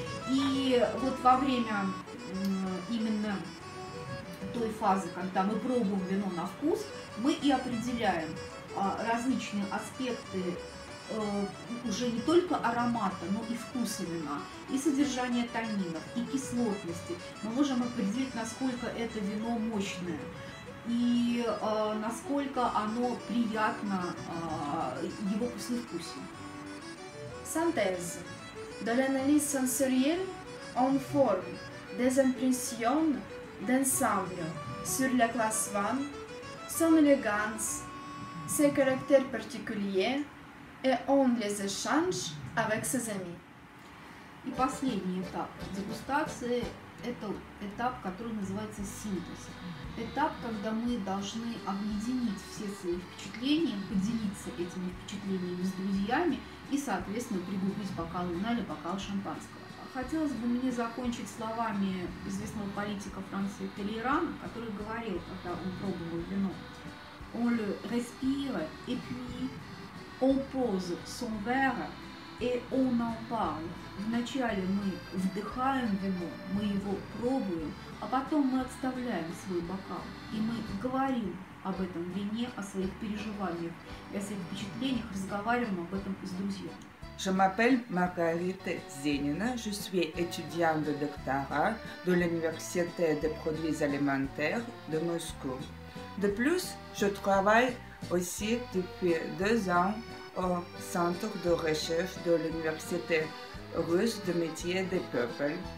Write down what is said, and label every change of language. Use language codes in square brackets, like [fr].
[ru] И вот во время именно той фазы, когда мы пробуем вино на вкус, мы и определяем различные аспекты уже не только аромата, но и вкуса вина, и содержание танинов, и кислотности. Мы можем определить, насколько это вино мощное, и насколько оно приятно его послевкусу. [fr] Synthèse. De l'analyse sensorielle en forme des impressions d'ensemble sur la classe vin, son élégance, ses caractères particuliers, et on les échange avec ses amis. [ru] И последний этап дегустации – это этап, который называется синтез. Этап, когда мы должны объединить все свои впечатления, поделиться этими впечатлениями с друзьями и, соответственно, пригубить бокал вина или бокал шампанского. Хотелось бы мне закончить словами известного политика Франции Талейрана, который говорил, когда он пробовал вино: [fr] «On le respire et puis on pose son verre et on en parle». [ru] Вначале мы вдыхаем вино, мы его пробуем, а потом мы отставляем свой бокал, и мы говорим об этом вине, о своих переживаниях и о своих впечатлениях, разговариваем об этом с друзьями. [fr] Je m'appelle Margarita Zenina, je suis étudiante de doctorat de l'Université des produits alimentaires de Moscou. De plus, je travaille aussi depuis 2 ans au Centre de recherche de l'Université russe de métiers des peuples.